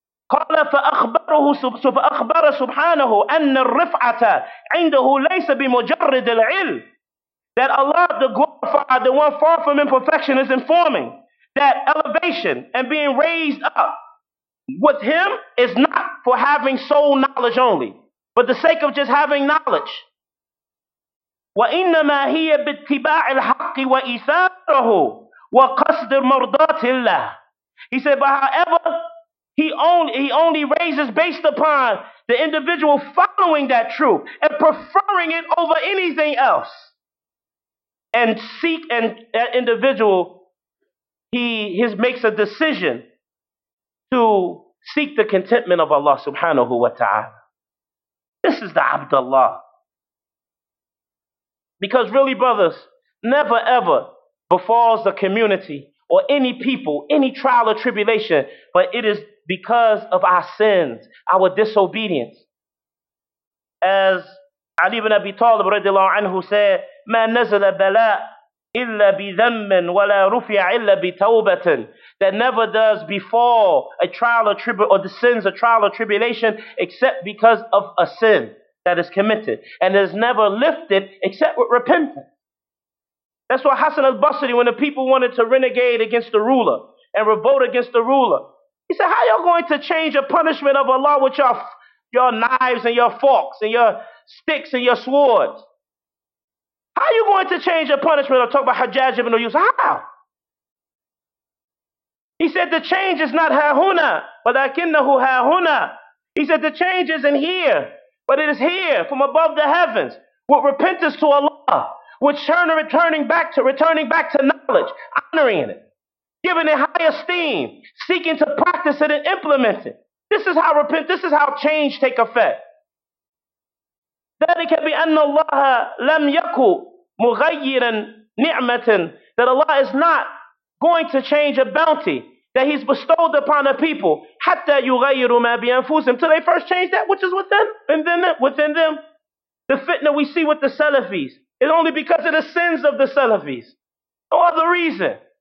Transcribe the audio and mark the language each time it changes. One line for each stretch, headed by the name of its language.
Arabic: قَالَ فَأَخْبَرَ سُبْحَانَهُ أَنَّ الرِّفْعَةَ عِنْدَهُ لَيْسَ بِمُجَرِّدِ الْعِلْمِ,
English: that Allah the glorified, the one far from imperfection, is informing that elevation and being raised up with him is not for having soul knowledge only, but the sake of just having knowledge.
Arabic: وَإِنَّمَا هِيَ بِاتِّبَاعِ الْحَقِّ وَإِثَارَهُ وَقَصْدِ مَرْضَاتِ اللَّهِ.
English: He said, but however, He only raises based upon the individual following that truth and preferring it over anything else. And seek and that individual, he makes a decision to seek the contentment of Allah subhanahu wa ta'ala. This is the Abdullah. Because really, brothers, never ever befalls the community or any people, any trial or tribulation, but it is because of our sins, our disobedience. As Ali ibn Abi Talib radiallahu anhu said,
Arabic: ما نزل بلاء إلا بذنب ولا رفع إلا بتوبة.
English: That never does befall a trial or tribulation, or the sins of trial or tribulation, except because of a sin that is committed, and is never lifted except with repentance. That's why Hassan al-Basri, when the people wanted to renegade against the ruler and revolt against the ruler, he said, how y'all going to change a punishment of Allah with your knives and your forks and your sticks and your swords? How are you going to change a punishment? I'll talk about Hajjaj ibn Yusuf. How? He said the change is not
Arabic: hahuna, but akinnahu hahuna.
English: He said the change isn't here, but it is here from above the heavens. With repentance to Allah, with returning back to knowledge, honoring it, giving it high esteem, seeking to practice it and implement it. This is how change take effect.
Arabic: ذلك بأن الله لم يكن مغيرا نعمة.
English: That Allah is not going to change a bounty that He's bestowed upon a people.
Arabic: حتى يغيروا ما بأنفسهم.
English: Till they first change that which is within them. The fitna we see with the Salafis is only because of the sins of the Salafis. No other reason.